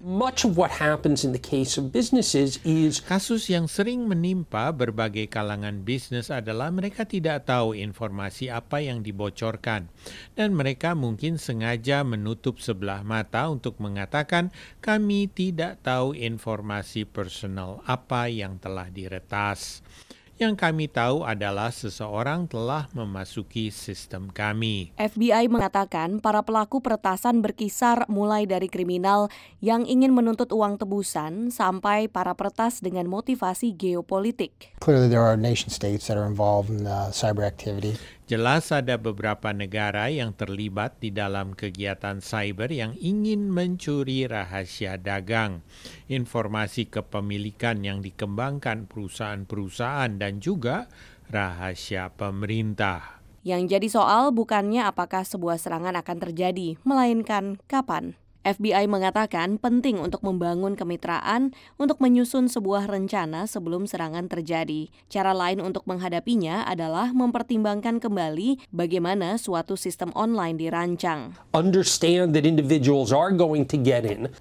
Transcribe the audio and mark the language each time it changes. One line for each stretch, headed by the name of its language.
English: Much of what happens in the case of businesses is
Indonesian: kasus yang sering menimpa berbagai kalangan bisnis adalah mereka tidak tahu informasi apa yang dibocorkan dan mereka mungkin sengaja menutup sebelah mata untuk mengatakan kami tidak tahu informasi personal apa yang telah diretas. Yang kami tahu adalah seseorang telah memasuki sistem kami. FBI mengatakan para pelaku peretasan berkisar mulai dari kriminal yang ingin menuntut uang tebusan sampai para peretas dengan motivasi geopolitik.
English: Clearly there are nation states that are involved in cyber activity.
Indonesian: Jelas ada beberapa negara yang terlibat di dalam kegiatan cyber yang ingin mencuri rahasia dagang, informasi kepemilikan yang dikembangkan perusahaan-perusahaan, dan juga rahasia pemerintah. Yang jadi soal bukannya apakah sebuah serangan akan terjadi, melainkan kapan. FBI mengatakan penting untuk membangun kemitraan untuk menyusun sebuah rencana sebelum serangan terjadi. Cara lain untuk menghadapinya adalah mempertimbangkan kembali bagaimana suatu sistem online dirancang.
English: Understand that individuals are going to get in.